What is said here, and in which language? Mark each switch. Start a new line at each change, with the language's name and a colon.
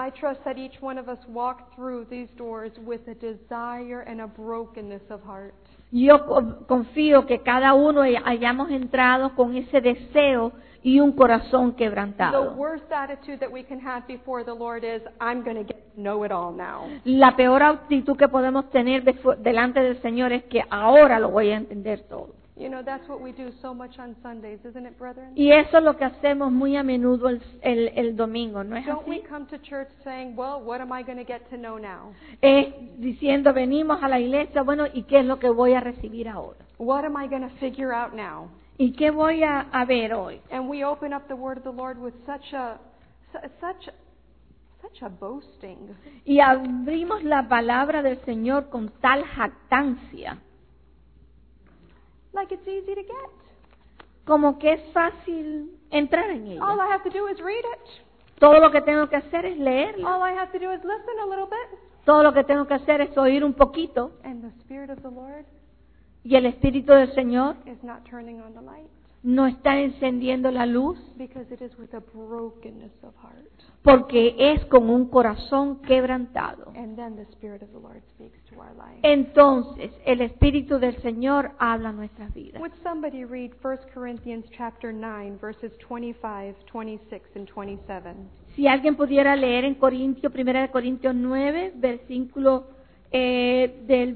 English: I trust that each one of us walk through these doors with a desire and a brokenness of heart.
Spanish: Yo confío que cada uno hayamos entrado con ese deseo y un corazón quebrantado.
English: The worst attitude that we can have before the Lord is, I'm going to get to know it all now.
Spanish: La peor actitud que podemos tener delante del Señor es que ahora lo voy a entender todo.
English: You know, that's what we do so much on Sundays, isn't it, brethren?
Spanish: Y eso es lo que hacemos muy a menudo el domingo, ¿no es así?
English: Don't we come to church saying, well, what am I going to get to know now?
Spanish: Diciendo, venimos a la iglesia, bueno, ¿y qué es lo que voy a recibir ahora?
English: What am I going to figure out now?
Spanish: ¿Y qué voy a ver hoy?
English: And we open up the word of the Lord with such a boasting.
Spanish: Y abrimos la palabra del Señor con tal jactancia.
English: Like it's easy to get.
Spanish: Como que es fácil entrar en ella.
English: All I have to do is read it.
Spanish: Todo lo que tengo que hacer es leerla.
English: All I have to do is listen a little bit.
Spanish: Todo lo que tengo que hacer es oír un poquito.
English: And the Spirit of the Lord.
Spanish: Y el Espíritu del Señor.
English: Is not turning on the light.
Spanish: No está encendiendo la luz.
English: Because it is with a brokenness of heart.
Spanish: Porque es con un corazón quebrantado.
English: And then the Spirit of the Lord speaks to our life.
Spanish: Entonces, el Espíritu del Señor habla a nuestras vidas.
English: Would somebody read 1 Corinthians chapter 9, verses 25, 26, and 27?
Spanish: Si alguien pudiera leer en Corintio, 1 Corintios 9, versículo del